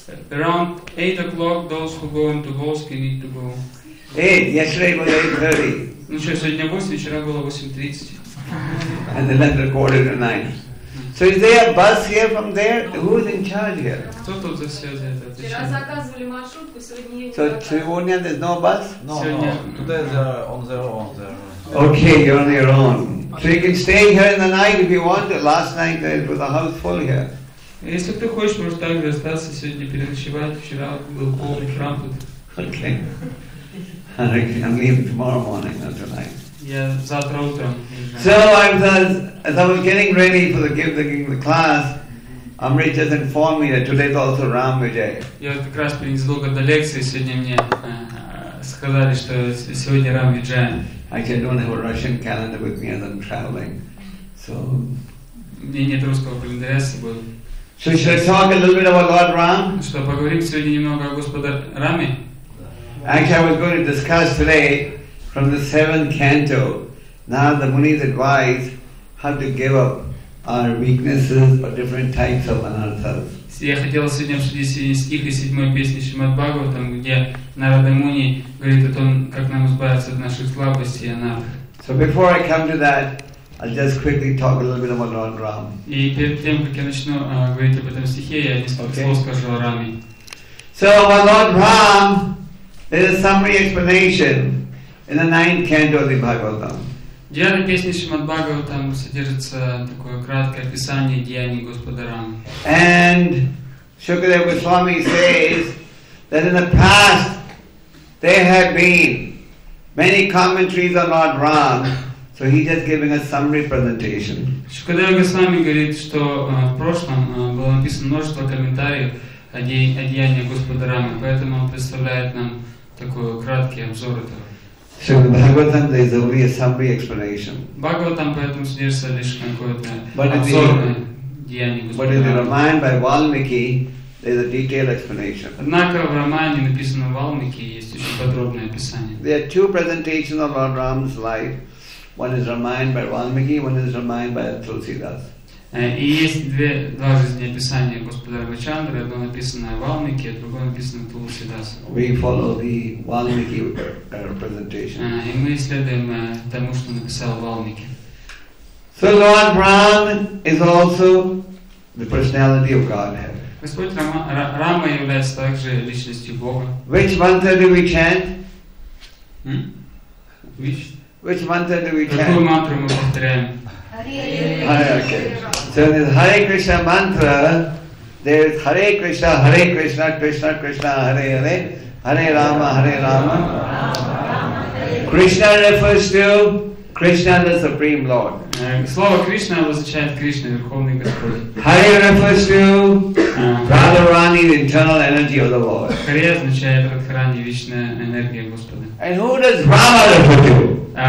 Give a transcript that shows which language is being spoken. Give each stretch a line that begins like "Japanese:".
English: Around 8 o'clock, those who go into Volsky need to go. Yesterday was 8:30.
Russian: Ну что, сегодня 8, вчера было 8:30.
English: And then at 8:15. So is there a bus here from there? Who is in charge here?
Russian: Кто тут за все это? Вчера заказывали маршрутку, сегодня...
English: So
Russian: сегодня
English: there's no bus? No, no. Today on their own. Okay, you're on your own. So you can stay here in the night if you want. Last night there was a house full here.
Russian: Если ты хочешь, можешь также остаться сегодня переночевать. Вчера был полный храм тут.
English: Okay. I can leave tomorrow morning, not tonight.
Russian: Yeah, завтра утром.
English: So as I was getting ready for the class, Amrit just informed me that today is also Ram Vijay.
Russian: Я как раз незадолго до лекции сегодня мне сказали, что сегодня Рам Виджай.
English: Actually, I don't have a Russian calendar with me as I'm traveling, so.
Russian: Мне нет русского календаря с собой.
English: So should I talk a little bit about Lord Ram?
Russian: Что поговорим сегодня немного о Господе Раме?
English: Actually, I was going to discuss today from the seventh canto. Now the Munis advise how to give up our weaknesses or different types of ourselves.
Russian: Я хотел сегодня обсудить стих из седьмой песни Шримад Бхагаватам, где Нарада Муни говорит о том, как нам избавиться от наших слабостей и анат.
English: So before I come to that, I'll just quickly talk a little bit about Lord Ram.
Russian: И перед тем, как я начну говорить об этом стихе, я несколько слов скажу о Раме.
English: So about Lord Ram, there's a summary explanation in the ninth canto of the Bhagavatam.
Russian: В девятой песне Шримад Бхагаватам содержится такое краткое описание деяний Господа Рамы.
English: And Shukadeva Goswami says that in the past there have been many commentaries on Lord Ram. So he's just giving a summary presentation.
Russian: Шукадева Госвами говорит, что в прошлом было написано множество комментариев о деяниях Господа Рамы, поэтому он представляет нам такой краткий обзор этого.
English: Шримад Бхагаватам, there is only a summary explanation.
Russian: Бхагаватам поэтому содержится лишь какое-то обзорное деяние Господа.
English: But in the Ramayana by Valmiki, there is a detailed explanation.
Russian: Однако в Рамаяне, написанном Валмики, есть очень подробное описание.
English: There are two presentations of Lord Ram's life. One is Ramayana by Valmiki, one is Ramayana by Tulsidas.
Russian: И есть два жизнеописания Господа Рамачандры. Одно написано в Валмике, другое написано в Тулсидас.
English: We follow the Valmiki representation.
Russian: И мы следуем тому, что написал Валмики.
English: So Lord Ram is also the personality of Godhead.
Russian: Господь Рама является также личностью Бога.
English: Which mantra do we chant? Which mantra do we chant?
Russian: Какую мантру мы повторяем?
English: Hare Krishna. So this Hare Krishna mantra, there is Hare Krishna, Hare Krishna, Krishna Krishna, Hare Hare, Hare Rama, Hare Rama. Hare Rama. Rama, Rama, Rama. Krishna refers to Krishna, the Supreme Lord.
Russian: Слово Кришна означает Кришна, Верховный Господь.
English: Hare refers to Radharani, the internal energy of the Lord.
Russian: Hare означает Радхарани, вечная энергия Господа.
English: And who does Rama refer to?